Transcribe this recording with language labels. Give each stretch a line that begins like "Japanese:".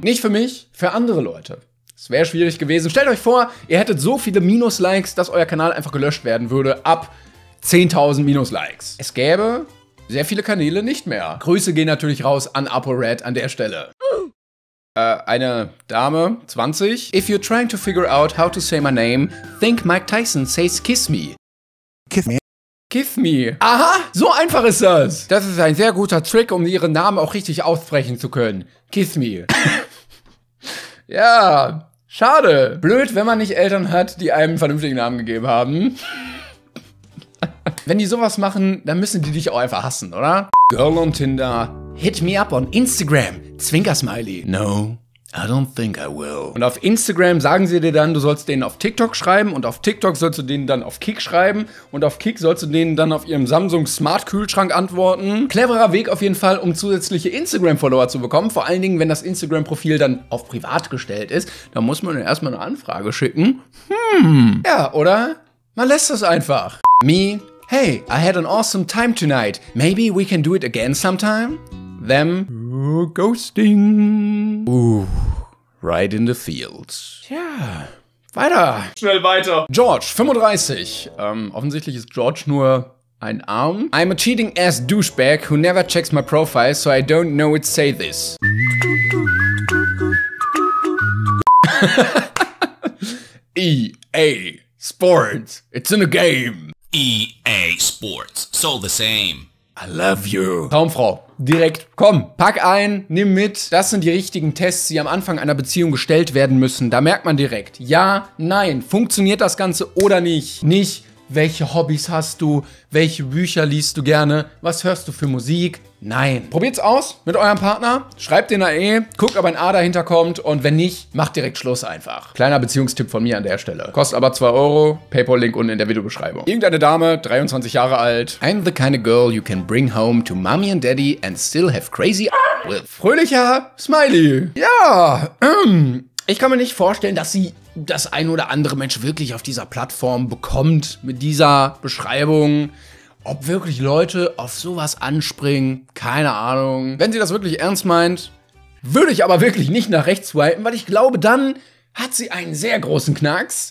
German: Nicht für mich, für andere Leute. Es wäre schwierig gewesen. Stellt euch vor, ihr hättet so viele Minus-Likes, dass euer Kanal einfach gelöscht werden würde ab 10.000 Minus-Likes. Es gäbe sehr viele Kanäle nicht mehr. Grüße gehen natürlich raus an ApoRed an der Stelle. Eine Dame, 20.
English: If you're trying to figure out how to say my name, think Mike Tyson says kiss me. Kiss me. Kiss me.
German: Aha, so einfach ist das. Das ist ein sehr guter Trick, um ihren Namen auch richtig aussprechen zu können.
English: Kiss me.
German: Ja, schade. Blöd, wenn man nicht Eltern hat, die einem einen vernünftigen Namen gegeben haben. Wenn die sowas machen, dann müssen die dich auch einfach hassen, oder?
English: Girl on Tinder, hit me up on Instagram, Zwinker-Smiley. No, I don't think I will.
German: Und auf Instagram sagen sie dir dann, du sollst denen auf TikTok schreiben und auf TikTok sollst du denen dann auf Kick schreiben und auf Kick sollst du denen dann auf ihrem Samsung Smart Kühlschrank antworten. Cleverer Weg auf jeden Fall, um zusätzliche Instagram-Follower zu bekommen. Vor allen Dingen, wenn das Instagram-Profil dann auf privat gestellt ist, dann muss man ja erstmal eine Anfrage schicken. Ja, oder? Man lässt es einfach.
English: Me, hey, I had an awesome time tonight. Maybe we can do it again sometime? Them, ghosting. Ooh, right in the fields.
German: Tja, weiter. Schnell weiter. George, 35. Offensichtlich ist George nur ein Arm.
English: I'm a cheating ass douchebag who never checks my profile, so I don't know it say this. EA Sports, it's in a game. EA Sports, so the same. I love you.
German: Traumfrau, direkt, komm, pack ein, nimm mit. Das sind die richtigen Tests, die am Anfang einer Beziehung gestellt werden müssen. Da merkt man direkt, ja, nein, funktioniert das Ganze oder nicht? Nicht, welche Hobbys hast du? Welche Bücher liest du gerne? Was hörst du für Musik? Nein. Probiert's aus mit eurem Partner. Schreibt den AE, guckt, ob ein A dahinter kommt. Und wenn nicht, macht direkt Schluss einfach. Kleiner Beziehungstipp von mir an der Stelle. Kostet aber 2 Euro. PayPal-Link unten in der Videobeschreibung. Irgendeine Dame, 23 Jahre alt.
English: I'm the kind of girl you can bring home to mommy and daddy and still have crazy with.
German: Fröhlicher Smiley. Ja, ich kann mir nicht vorstellen, dass sie das ein oder andere Mensch wirklich auf dieser Plattform bekommt mit dieser Beschreibung. Ob wirklich Leute auf sowas anspringen, keine Ahnung. Wenn sie das wirklich ernst meint, würde ich aber wirklich nicht nach rechts swipen, weil ich glaube, dann hat sie einen sehr großen Knacks.